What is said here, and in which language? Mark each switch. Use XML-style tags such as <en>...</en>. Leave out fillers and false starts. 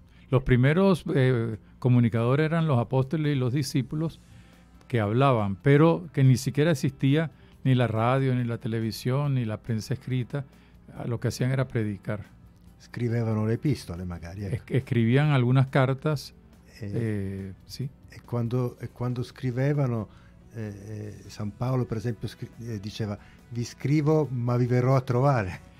<es>Los primeros comunicadores eran los apóstoles y los discípulos que hablaban, pero que ni siquiera existía ni la radio, ni la televisión, ni la prensa escrita. Lo que hacían era predicar.</es> <it>Scrivevano le epistole, magari.</it> <es>Escribían algunas cartas. Sí.</es> <it>E quando scrivevano, San Paolo, per esempio, diceva: vi scrivo, ma vi verrò a trovare.</it>